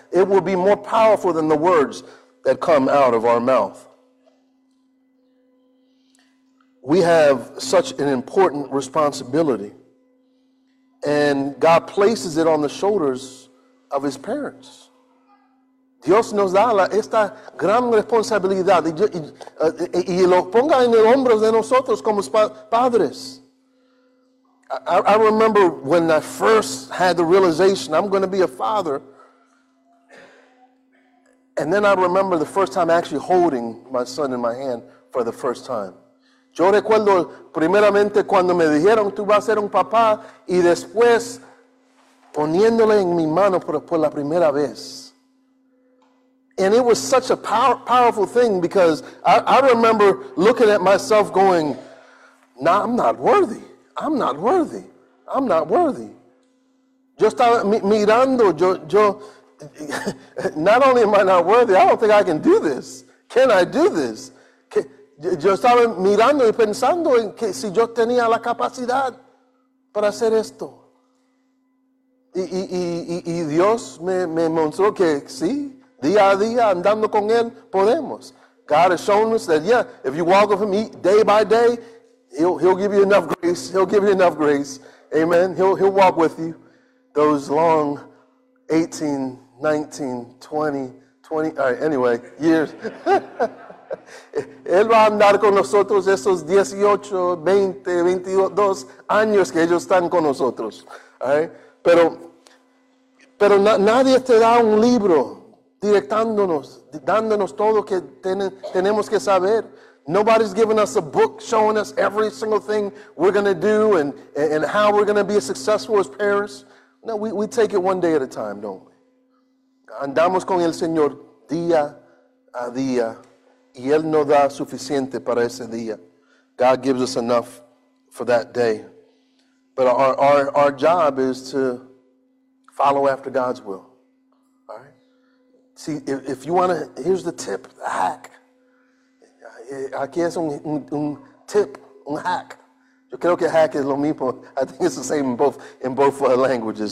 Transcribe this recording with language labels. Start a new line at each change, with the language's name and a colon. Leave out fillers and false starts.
English: It will be more powerful than the words that come out of our mouth. We have such an important responsibility, and God places it on the shoulders of his parents.
Spanish: Dios nos da esta gran responsabilidad y lo ponga en los hombros de nosotros como padres.
English: I remember when I first had the realization, I'm going to be a father. And then I remember the first time actually holding my son in my hand for the first time.
Spanish: Yo recuerdo primeramente cuando me dijeron, tú vas a ser un papá, y después poniéndole en mi mano por la primera vez.
English: And it was such a powerful thing because I remember looking at myself going, no, I'm not worthy. I'm not worthy. I'm not worthy.
Spanish: Yo estaba mirando, yo,
English: not only am I not worthy, I don't think I can do this. Can I do this?
Spanish: Yo estaba mirando y pensando en que si yo tenía la capacidad para hacer esto. Y Dios me mostró que sí. Día a día, andando con él, podemos.
English: God has shown us that, yeah, if you walk with him day by day, he'll give you enough grace. He'll give you enough grace. Amen. He'll walk with you those long 18, 19, 20, 20, all right, anyway, years.
Spanish: Él va a andar con nosotros esos 18, 20, 22 años que ellos están con nosotros.
English: All right?
Spanish: Pero nadie te da un libro directándonos, dándonos todo que tenemos que saber.
English: Nobody's given us a book showing us every single thing we're going to do and how we're going to be successful as parents. No, we take it one day at a time, don't we?
Spanish: Andamos con el Señor día a día y Él nos da suficiente para ese día.
English: God gives us enough for that day. But our job is to follow after God's will. See, if you want to, here's the tip, the hack.
Spanish: Aquí es un tip, un hack. Yo creo que hack es lo mismo.
English: I think it's the same in both languages.